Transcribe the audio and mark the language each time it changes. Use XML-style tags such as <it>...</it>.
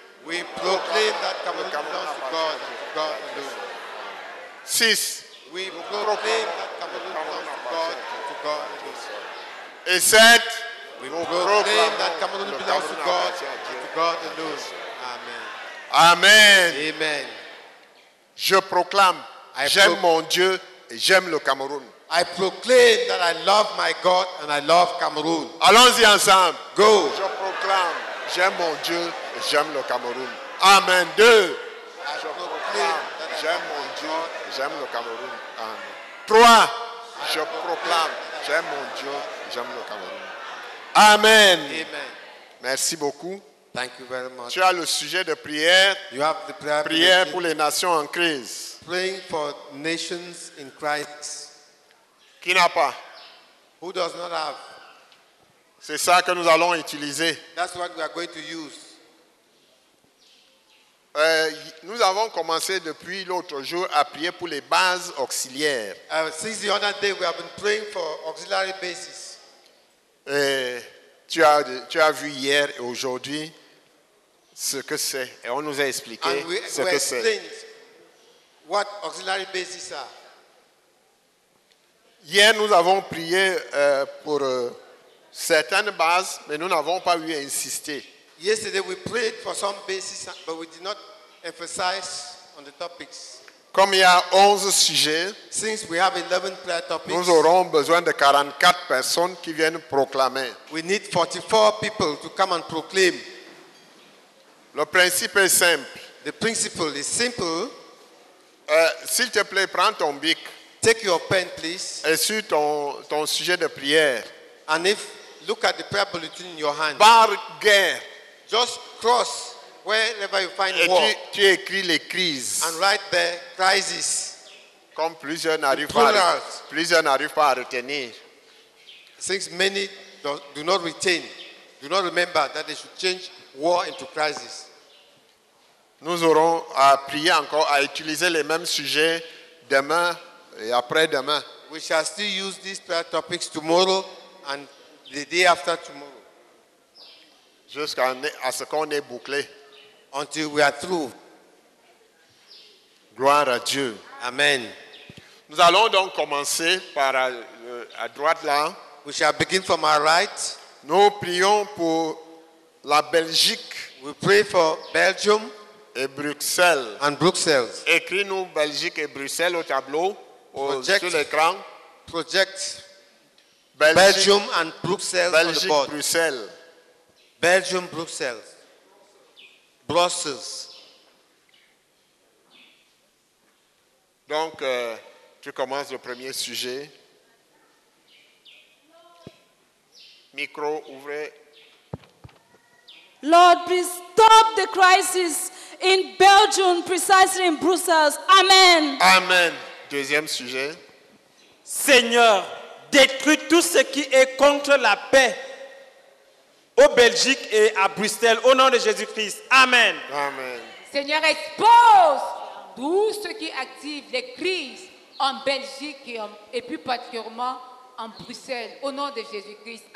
<en>We proclaim that Cameroon belongs to God and to God alone. Six. We proclaim that Cameroon belongs to God and to God alone.</en> <fr>Et sept.</fr> <en>We proclaim that Cameroon belongs to God and to God alone. Amen. Amen. Amen.</en> <fr>Je proclame, j'aime mon Dieu et j'aime le Cameroun.</fr> <en>I proclaim that I love my God and I love Cameroon.</en> <fr>Allons-y ensemble.</fr> <en>Go.</en> <fr>Je proclame, j'aime mon Dieu et j'aime le Cameroun. Amen. Deux. Je proclame, j'aime mon Dieu et j'aime le Cameroun. Amen. Trois. Je proclame, j'aime mon Dieu et j'aime le Cameroun. Amen. Amen. Merci beaucoup.</fr> <en>Thank you very much.</en> <fr>Tu as le sujet de prière.</fr> <en>You have the prayer.</en> <fr>Prière pour les nations en crise.</fr> <en>Praying for nations in crisis.</en> <fr>Qui n'a pas?</fr> <en>Who does not have?</en> <fr>C'est ça que nous allons utiliser.</fr> <en>That's what we are going to use.</en> <fr>Nous avons commencé depuis l'autre jour à prier pour les bases auxiliaires.</fr> <en>Since the other day, we have been praying for auxiliary bases.</en> <fr>Et tu as vu hier et aujourd'hui ce que c'est et on nous a expliqué ce que c'est.</fr> <en>What auxiliary bases are.</en> <fr>Hier nous avons prié pour certaines bases mais nous n'avons pas eu à insister.</fr> <en>Yesterday we prayed for some bases but we did not emphasize on the topics.</en> <fr>Comme il y a 11 sujets,</fr> <en>since we have 11 prayer topics,</en> <fr>nous aurons besoin de 44 personnes qui viennent proclamer.</fr> <en>We need 44 people to come and proclaim.</en> <fr>Le principe est simple.</fr> <en>The principle is simple.</en> <fr>S'il te plaît, prends ton bic.</fr> <en>Take your pen, please.</en> <fr>Et sur ton sujet de prière.</fr> <en>And if look at the prayer bulletin in your hand.</en> <fr>Barre guerre.</fr> <en>Just cross. Wherever you find war,</en> <fr>tu écris les crises.</fr> <en>And write there crises.</en> <fr>Comme plusieurs n'arrivent pas à retenir.</fr> <en>Since many do not remember that they should change war into crises.</en> <fr>Nous aurons à prier encore, à utiliser les mêmes sujets demain et après-demain.</fr> <en>We shall still use these prayer topics tomorrow and the day after tomorrow.</en> <fr>Jusqu'à ce qu'on ait bouclé.</fr> <en>until we are through.</en> <fr>Gloire à Dieu. Amen. Nous allons donc commencer par à droite là.</fr> <en>We shall begin from our right.</en> <fr>Nous prions pour la Belgique.</fr> <en>We pray for Belgium.</en> <fr>Et Bruxelles.</fr> <en>And Brussels.</en> <fr>Écris-nous Belgique et Bruxelles au tableau. Project, sur l'écran.</fr> <en>Project Belgium, Belgium and Bruxelles</en> <fr>Belgique,</fr> <en>on the board.</en> <fr>Bruxelles.</fr> <en>Belgium, Bruxelles. Brussels.</en> <fr>Donc, tu commences le premier sujet. Micro, ouvrez.</fr> <en>Lord, please stop the crisis in Belgium, precisely in Brussels. Amen.</en> <fr>Amen. Deuxième sujet. Seigneur, détruis tout ce qui est contre la paix au Belgique et à Bruxelles, au nom de Jésus-Christ. Amen. Amen. Seigneur, expose tout ce qui active les crises en Belgique et plus particulièrement en Bruxelles, au nom de Jésus-Christ.</fr>